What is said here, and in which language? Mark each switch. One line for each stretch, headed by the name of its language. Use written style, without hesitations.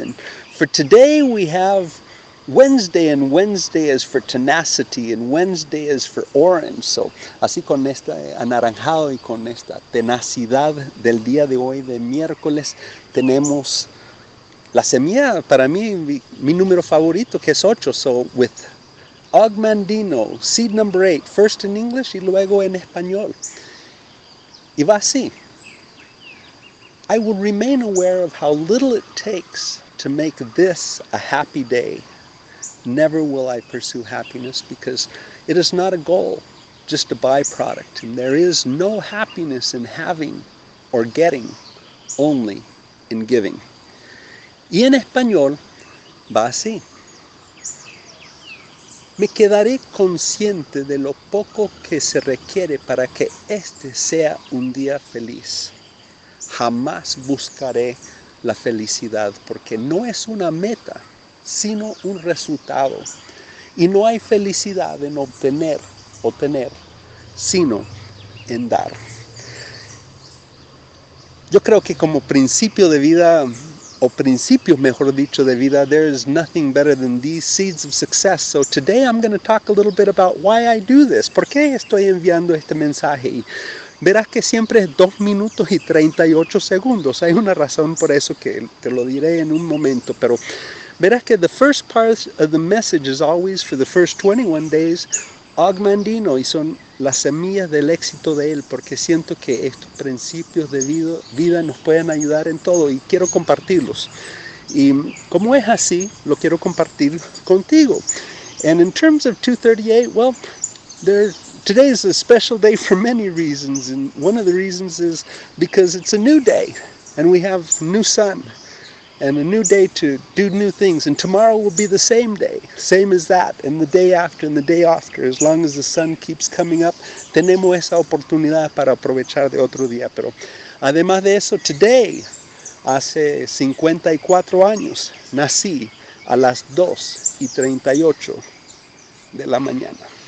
English: And for today we have Wednesday, and Wednesday is for tenacity, and Wednesday is for orange.
Spanish: So, así con esta anaranjado y con esta tenacidad del día de hoy, de miércoles, tenemos la semilla, para mí, mi número favorito, que es 8.
English: So, with Og Mandino, seed number 8, first in English
Spanish: y luego en español. Y va así.
English: I will remain aware of how little it takes to make this a happy day. Never will I pursue happiness because it is not a goal, just a byproduct. And there is no happiness in having or getting, only in giving.
Spanish: Y en español va así. Me quedaré consciente de lo poco que se requiere para que este sea un día feliz. Jamás buscaré la felicidad porque no es una meta, sino un resultado. Y no hay felicidad en obtener o tener, sino en dar. Yo creo que como principio de vida, o principios, mejor dicho, de vida,
English: there is nothing better than these seeds of success. So today I'm going to talk a little bit about why I do this.
Spanish: ¿Por qué estoy enviando este mensaje? Y verás que siempre es 2 minutos y 38 segundos. Hay una razón por eso que te lo diré en un momento. Pero verás que
English: the first part of the message is always for the first 21 days.
Spanish: Og Mandino, y son las semillas del éxito de él, porque siento que estos principios de vida nos pueden ayudar en todo y quiero compartirlos. Y como es así, lo quiero compartir contigo.
English: And in terms of 238, well, today is a special day for many reasons. And one of the reasons is because it's a new day and we have new sun and a new day to do new things. And tomorrow will be the same day, same as that, and the day after, and the day after. As long as the sun keeps coming up,
Spanish: tenemos esa oportunidad para aprovechar de otro día. Pero además de eso, today, hace 54 años, nací a las 2 y 38 de la mañana.